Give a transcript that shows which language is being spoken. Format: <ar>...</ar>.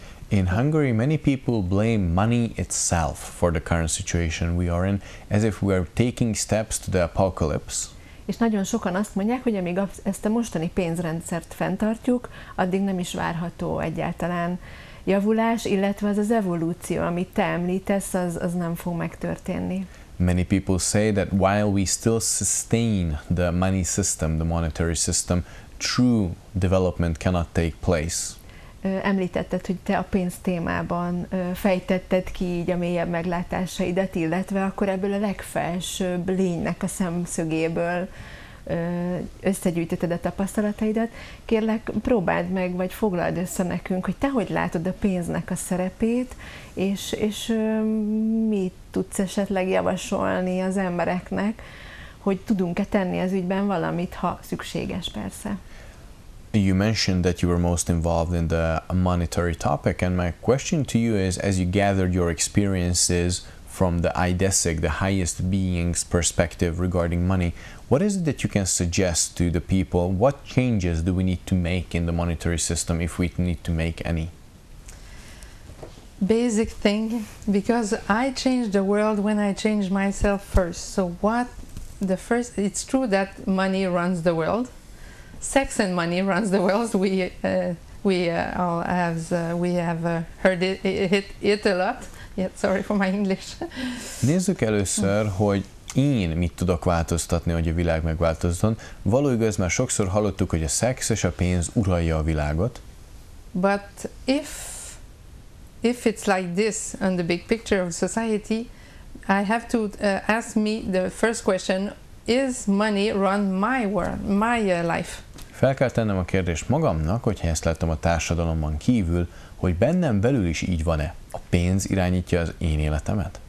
<en>In Hungary, many people blame money itself for the current situation we are in, as if we are taking steps to the apocalypse.</en> <hu>És nagyon sokan azt mondják, hogy amíg ezt a mostani pénzrendszert fenntartjuk, addig nem is várható egyáltalán javulás, illetve az evolúció, amit te említesz, az nem fog megtörténni.</hu> <en>Many people say that while we still sustain the money system, the monetary system, true development cannot take place.</en> <hu>Említetted, hogy te a pénz témában fejtetted ki így a mélyebb meglátásaidat, illetve akkor ebből a legfelsőbb lénynek a szemszögéből összegyűjtötted a tapasztalataidat. Kérlek, próbáld meg, vagy foglald össze nekünk, hogy te hogy látod a pénznek a szerepét, és mit tudsz esetleg javasolni az embereknek, hogy tudunk-e tenni az ügyben valamit, ha szükséges persze.</hu> <en>You mentioned that you were most involved in the monetary topic, and my question to you is, as you gathered your experiences from the Idesic, the highest being's perspective regarding money, what is it that you can suggest to the people? What changes do we need to make in the monetary system, if we need to make any? Basic thing, because I changed the world when I changed myself first. So what the first, it's true that money runs the world. Sex and money runs the world. We have heard it a lot. Yeah, sorry for my English.</en> <hu>Nézzük először, hogy én mit tudok változtatni, hogy a világ megváltozzon. Való igaz, mert sokszor hallottuk, hogy a szex és a pénz uralja a világot.</hu> <en>But if it's like this on the big picture of society, I have to ask me the first question: is money run my world, my life?</en> <hu>Fel kell tennem a kérdést magamnak, hogyha ezt láttam a társadalomban kívül, hogy bennem belül is így van-e? A pénz irányítja az én életemet?</hu>